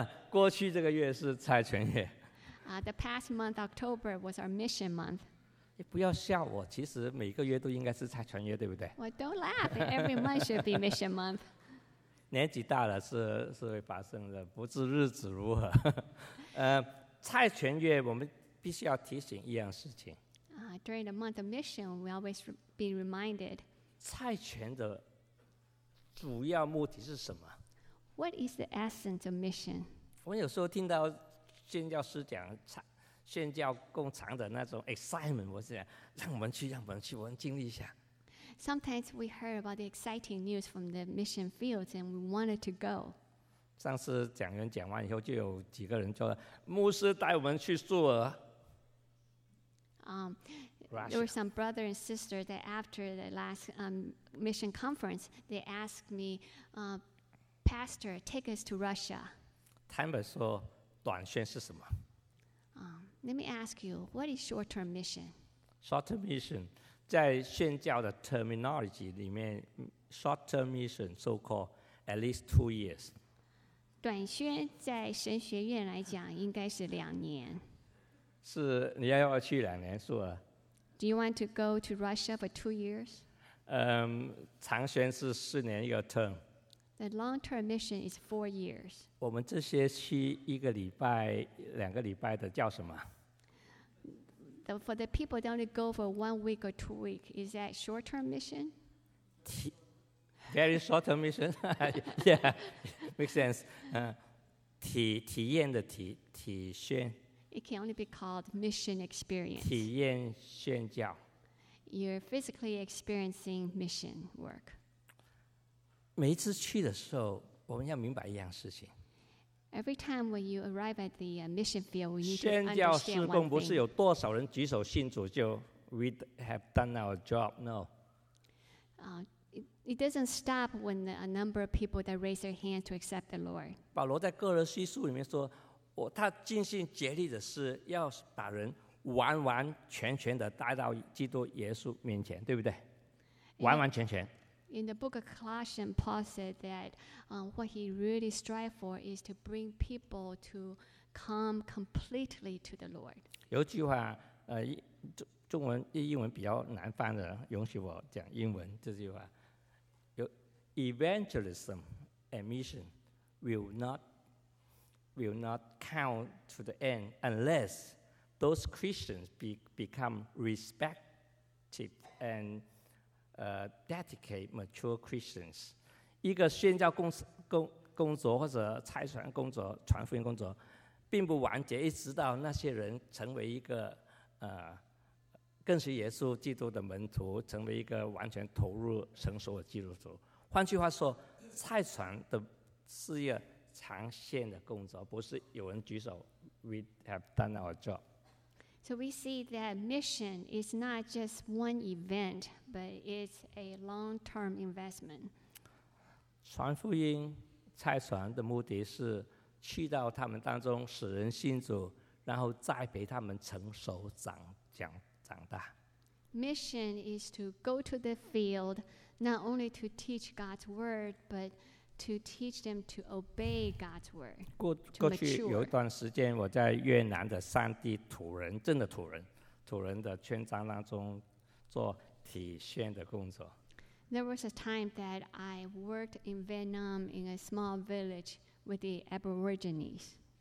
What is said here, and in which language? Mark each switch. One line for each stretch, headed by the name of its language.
Chinese: 过去这个月是差传月。
English: The past month, October, was our mission month.
Chinese: 不要笑我，其实每个月都应该是差传月，对不对？
English: Well, don't laugh. Every month should be mission month.
Chinese: 年纪大了是会发生的，不知日子如何。差传月，我们必须要提醒一样事情。
English: During the month of mission, we always be reminded.
Chinese: 差传的主要目的是什么？
English: What is the essence of mission?
Chinese: 我们有时候听到宣教师讲宣教共尝的那种 excitement， 我是讲让我们去，我们经历一下。
English: Sometimes we heard about the exciting news from the mission fields and we wanted to go.
Chinese: 上次讲员讲完以后，就有几个人说，牧师带我们去苏俄。
English: There were some brother and sister that after the last mission conference, they asked me, Pastor, take us to Russia.
Chinese: 坦白说。短宣是什么？
English: Let me ask you, what is short-term mission? Short-term mission,
Chinese: 在宣教的
English: terminology
Chinese: 里面
English: ，short-term mission so-called at least 2 years.
Chinese: 短宣在神学院来讲应该是两年。是你要去两年是吧
English: ？Do you want to go to Russia for 2 years?
Chinese: 长宣是四年一个 term。
English: The long-term mission is 4 years.
Chinese: 我们这些去一个礼拜、两个礼拜的叫什么
English: ？For the people that only go for 1 week or 2 weeks, is that short-term mission? Very short-term mission. Yeah, makes sense.
Chinese: 体验的体宣。
English: It can only be called mission experience.
Chinese: 体验宣教。
English: You're physically experiencing mission work.
Chinese: 每一次去的时候，我们要明白一样事情。
English: Every time when you arrive at the mission field, we need to understand one thing.
Chinese: 宣教事工不是有多少人举手信主就
English: we have done our job. No. It doesn't stop when a number of people that raise their hand to accept the Lord.
Chinese: 保罗在哥罗西书里面说，他尽心竭力的是要把人完完全全的带到基督耶稣面前，对不对？完完全全。
English: In the book of Colossians, Paul said that what he really strives for is to bring people to come completely to the Lord.
Chinese: 有句话，中文英文比较难翻的，允许我讲英文这句话。
English: Evangelism and mission will not count to the end unless those Christians become respected and dedicate mature Christians.
Chinese: 一个宣教 工作或者差传工作、传福音工作，并不完结，一直到那些人成为一个跟随耶稣基督的门徒，成为一个完全投入成熟的基督徒。换句话说，差传的事业长线的工作，不是有人举手 ，
English: We have done our job. So we see that mission is not just one event, but it's a long-term investment.
Chinese: 传福音、差传的目的是去到他们当中，使人信主，然后栽培他们成熟、长大。
English: Mission is to go to the field, not only to teach God's word, but to teach them to obey God's word.
Chinese: 过去有一段时间，我在越南的山地土人镇的土人的村庄当中做体宣的工作。
English: There was a time that I worked in Vietnam in a small village with the Aborigines.